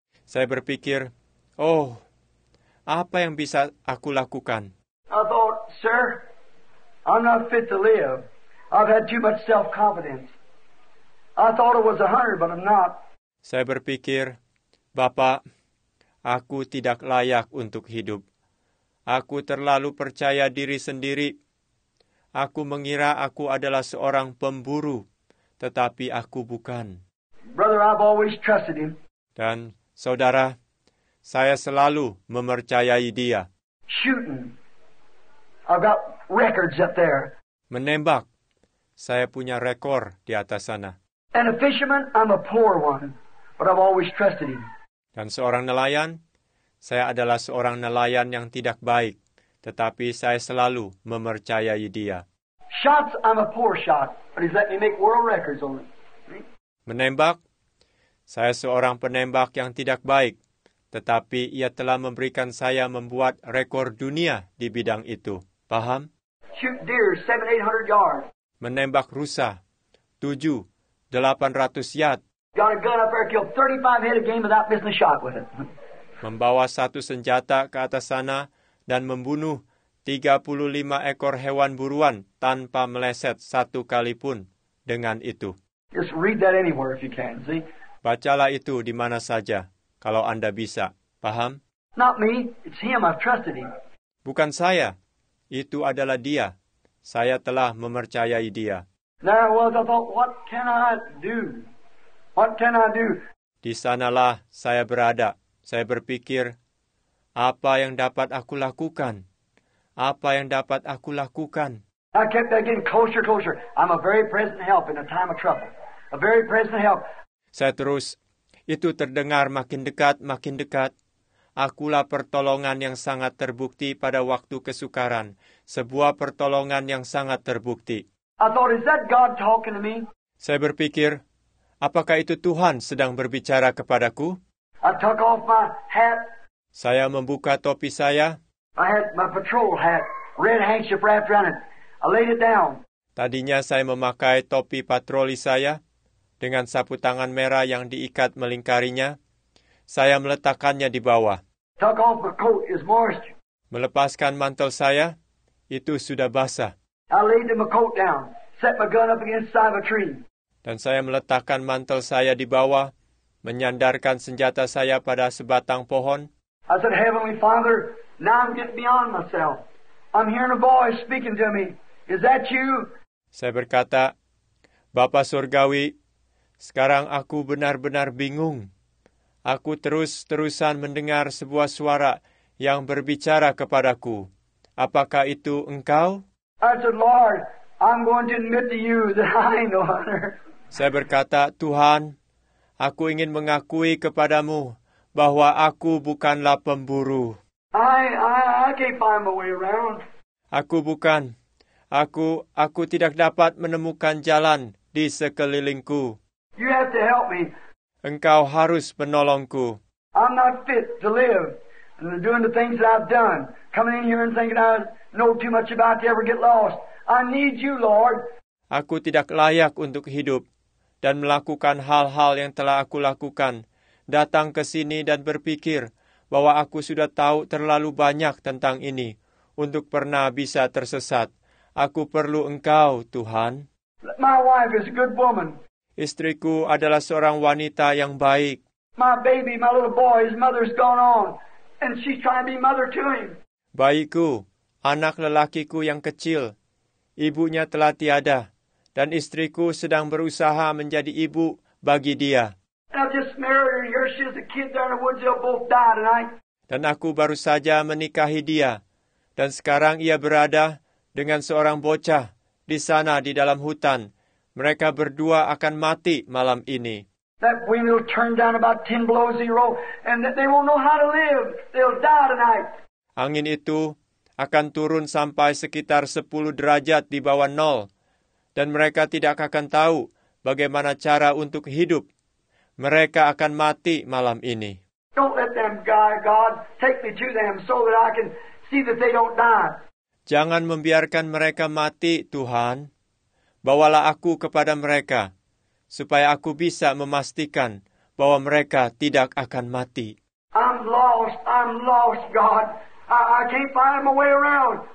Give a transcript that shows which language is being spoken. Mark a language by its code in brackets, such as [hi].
[id] Saya berpikir, oh, apa yang bisa aku lakukan? [en] I thought, sir, I'm not fit to live. I've had too much self-confidence. I thought I was a hunter, but I'm not. [id] Saya berpikir, Bapak, aku tidak layak untuk hidup. Aku terlalu percaya diri sendiri. Aku mengira aku adalah seorang pemburu, tetapi aku bukan. [en] Brother, I've always trusted him. [id] Dan saudara, saya selalu mempercayai dia. [en] Shooting. I've got records up there. [id] Menembak. Saya punya rekor di atas sana. [en] And a fisherman, I'm a poor one, but I've always trusted him. [id] Dan seorang nelayan, saya adalah seorang nelayan yang tidak baik, tetapi saya selalu mempercayai dia. [en] Shots, I'm a poor shot, but he's let me make world records on it. [id] Menembak, saya seorang penembak yang tidak baik, tetapi ia telah memberikan saya membuat rekor dunia di bidang itu. Paham? [en] Shoot deer, 700-800 yards. [id] Menembak rusa, 700-800 yard. [en] Got a gun up there, killed 35 head of game without missing a shot with it. [id] Membawa satu senjata ke atas sana dan membunuh 35 ekor hewan buruan tanpa meleset satu kali pun dengan itu. [en] Just read that anywhere if you can, see? [id] Bacalah itu di mana saja kalau Anda bisa. Paham? [en] Not me, it's him. I've trusted him. [id] Bukan saya. Itu adalah dia. Saya telah mempercayai dia. [en] Now, well, I thought, what can I do? What can I do? [id] Di sanalah saya berada. Saya berpikir, apa yang dapat aku lakukan? Apa yang dapat aku lakukan? [en] I kept getting closer, closer. I'm a very present help in a time of trouble. A very present help. [id] Saya terus, itu terdengar makin dekat, makin dekat. Akulah pertolongan yang sangat terbukti pada waktu kesukaran. Sebuah pertolongan yang sangat terbukti. [en] I thought, is that God talking to me? [id] Saya berpikir, apakah itu Tuhan sedang berbicara kepadaku? [en] I took off my hat. [id] Saya membuka topi saya. [en] I had my patrol hat red handkerchief wrapped around it. I laid it down. [id] Tadinya saya memakai topi patroli saya dengan sapu tangan merah yang diikat melingkarinya. Saya meletakkannya di bawah. [en] Took off my coat, it's moisture. [id] Melepaskan mantel saya, itu sudah basah. [en] I laid my coat down, set my gun up against the side of a tree. [id] Dan saya meletakkan mantel saya di bawah, menyandarkan senjata saya pada sebatang pohon. [en] I said, Heavenly Father, now I'm getting beyond myself. I'm hearing a voice speaking to me. Is that you? [id] Saya berkata, Bapa Surgawi, sekarang aku benar-benar bingung. Aku terus-terusan mendengar sebuah suara yang berbicara kepadaku. Apakah itu engkau? [en] I said, Lord, I'm going to admit to you that I ain't no hunter. [id] Saya berkata, Tuhan, aku ingin mengakui kepadamu bahwa aku bukanlah pemburu. [en] I can't find my way around. [id] Aku bukan. Aku tidak dapat menemukan jalan di sekelilingku. [en] You have to help me. [id] Engkau harus menolongku. [en] I'm not fit to live and doing the things that I've done. Coming in here and thinking I know too much about to ever get lost. I need you, Lord. [id] Aku tidak layak untuk hidup dan melakukan hal-hal yang telah aku lakukan. Datang ke sini dan berpikir bahwa aku sudah tahu terlalu banyak tentang ini untuk pernah bisa tersesat. Aku perlu engkau, Tuhan. [en] My wife is a good woman. [id] Istriku adalah seorang wanita yang baik. [en] My baby, my little boy, his mother's gone on, and she's trying to be mother to him. [id] Bayiku, anak lelakiku yang kecil, ibunya telah tiada, dan istriku sedang berusaha menjadi ibu bagi dia. [en] I just married her. Here she is, a kid there in the woods. They'll both die tonight. [id] Dan aku baru saja menikahi dia, dan sekarang ia berada dengan seorang bocah di sana di dalam hutan. Mereka berdua akan mati malam ini. [en] That wind will turn down about 10 below zero, and they won't know how to live. They'll die tonight. [id] Angin itu akan turun sampai sekitar 10 derajat di bawah nol, dan mereka tidak akan tahu bagaimana cara untuk hidup. Mereka akan mati malam ini. [en] Don't let them die, God. Take me to them so that I can see that they don't die. [id] Jangan membiarkan mereka mati, Tuhan. Bawalah aku kepada mereka, supaya aku bisa memastikan bahwa mereka tidak akan mati. [en] I'm lost, God. I can't find my way around.